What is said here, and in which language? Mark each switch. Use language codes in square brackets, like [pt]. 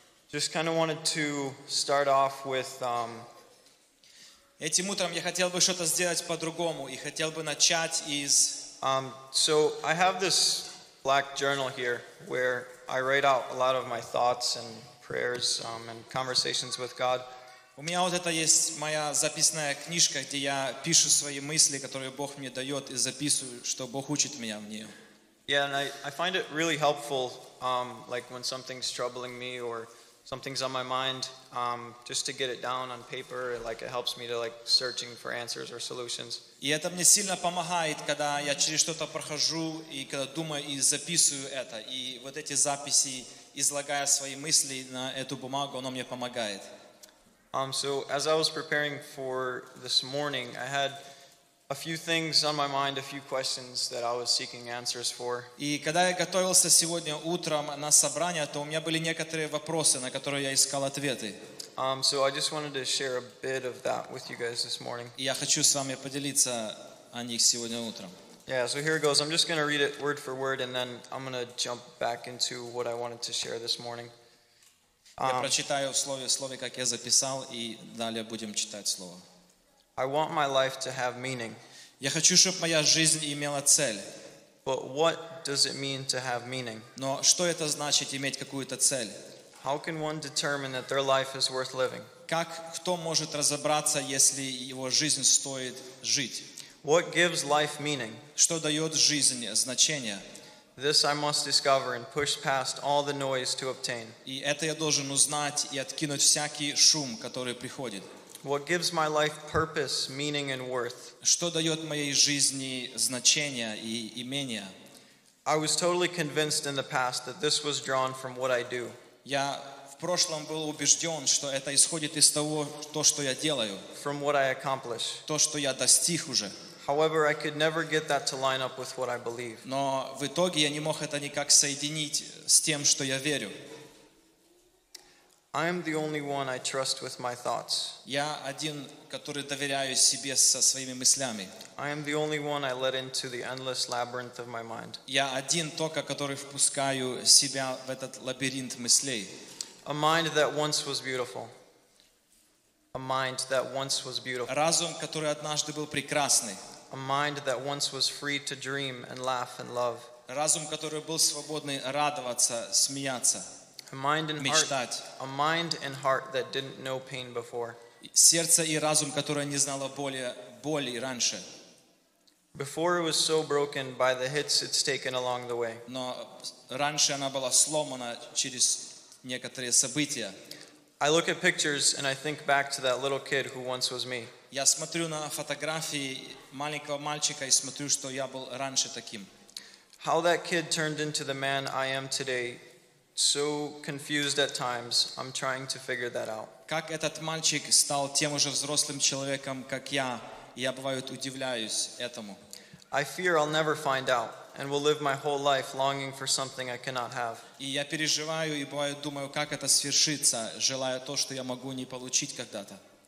[en] Just kind of wanted to start off with. [ru] Этим утром я хотел бы что-то сделать по-другому и хотел бы начать из. [en] So I have this black journal here where I write out a lot of my thoughts and prayers and conversations with God. [ru] У меня вот это есть моя записная книжка, где я пишу свои мысли, которые Бог мне дает, и записываю, что Бог учит меня в нее. [en] Yeah, and I find it really helpful, like when something's troubling me or something's on my mind, just to get it down on paper, like it helps me to like searching for answers or solutions. [ru] И это мне сильно помогает, когда я через что-то прохожу и когда думаю и записываю это. И вот эти записи, излагая свои мысли на эту бумагу, оно мне помогает. [en] So as I was preparing for this morning, I had a few things on my mind, a few questions that I was seeking answers for. [ru] И когда я готовился сегодня утром на собрание, то у меня были некоторые вопросы, на которые я искал ответы. [en] So I just wanted to share a bit of that with you guys this morning. [ru] Я хочу с вами поделиться о них сегодня утром. [en] Yeah, so here it goes. I'm just going to read it word for word, and then I'm going to jump back into what I wanted to share this morning. [ru] Я прочитаю слове, как я записал, и далее будем читать слово. [en] I want my life to have meaning. [ru] Я хочу, чтобы моя жизнь имела цель. [en] But what does it mean to have meaning? [ru] Но что это значит иметь какую-то цель? [en] How can one determine that their life is worth living? [ru] Как кто может разобраться, если его жизнь стоит жить? [en] What gives life meaning? [ru] Что дает жизнь значение? [en] This I must discover and push past all the noise to obtain. [ru] И это я должен узнать и откинуть всякий шум, который приходит. [en] What gives my life purpose, meaning, and worth? [ru] Что дает моей жизни значение и имение? [en] I was totally convinced in the past that this was drawn from what I do. [ru] Я в прошлом был убежден, что это исходит из того, то, что я делаю. [en] From what I accomplish. [ru] То, что я достиг уже. [en] However, I could never get that to line up with what I believe. [ru] Но в итоге я не мог это никак соединить с тем, что я верю. [en] I am the only one I trust with my thoughts. [ru] Я один, который доверяю себе со своими мыслями. [en] I am the only one I let into the endless labyrinth of my mind. [ru] Я один только, который впускаю себя в этот лабиринт мыслей. [en] A mind that once was beautiful. A mind that once was beautiful. [ru] Разум, который однажды был прекрасный. [en] A mind that once was free to dream and laugh and love. [ru] Разум, который был свободный радоваться, смеяться. [en] A mind and heart that didn't know pain before. [ru] Сердце и разум, которое не знало боли раньше. [en] Before it was so broken by the hits it's taken along the way. [ru] Но раньше она была сломана через некоторые события. [en] I look at pictures and I think back to that little kid who once was me. [ru] Я смотрю на фотографии маленького мальчика и смотрю, что я был раньше таким. [en] How that kid turned into the man I am today. So confused at times, I'm trying to figure that out. [ru] Как этот мальчик стал тем уже взрослым человеком, как я? Я бывает удивляюсь этому. [en] I fear I'll never find out, and will live my whole life longing for something I cannot have. [ru] И я переживаю и бывает думаю, как это свершится, желая то, что я могу не получить когда-то.